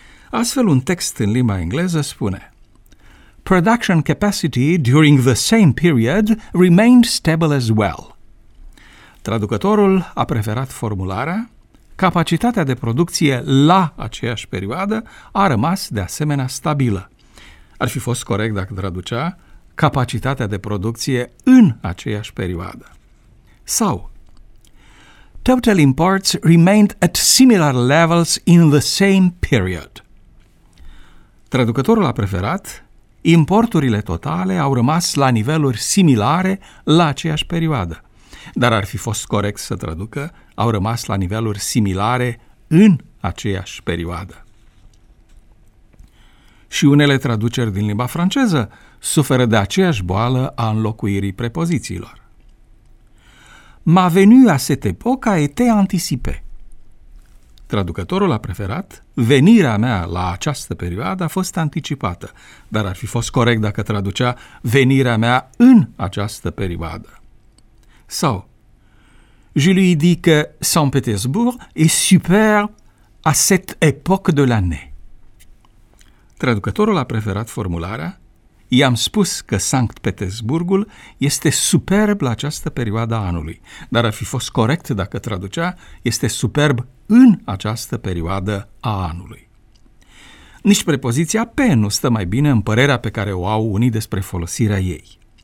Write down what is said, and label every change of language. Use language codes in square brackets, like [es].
[ro] Astfel, un text în limba engleză spune: [en] production capacity during the same period remained stable as well. [ro] Traducătorul a preferat formularea: capacitatea de producție la aceeași perioadă a rămas de asemenea stabilă. Ar fi fost corect dacă traducea: capacitatea de producție în aceeași perioadă. [en] Sau: total imports remained at similar levels in the same period. [ro] Traducătorul a preferat: importurile totale au rămas la niveluri similare la aceeași perioadă. Dar ar fi fost corect să traducă: au rămas la niveluri similare în aceeași perioadă. Și unele traduceri din limba franceză suferă de aceeași boală a înlocuirii prepozițiilor. [fr] M'a venu à cette époque a été anticipé. [ro] Traducătorul a preferat: venirea mea la această perioadă a fost anticipată. Dar ar fi fost corect dacă traducea: venirea mea în această perioadă. [fr] Sau: je lui dis que Saint-Pétersbourg est super à cette époque de l'année. [ro] Traducătorul a preferat formularea: i-am spus că Sankt-Petersburgul este superb la această perioadă a anului. Dar ar fi fost corect dacă traducea: este superb în această perioadă a anului. Nici prepoziția pe nu stă mai bine în părerea pe care o au unii despre folosirea ei.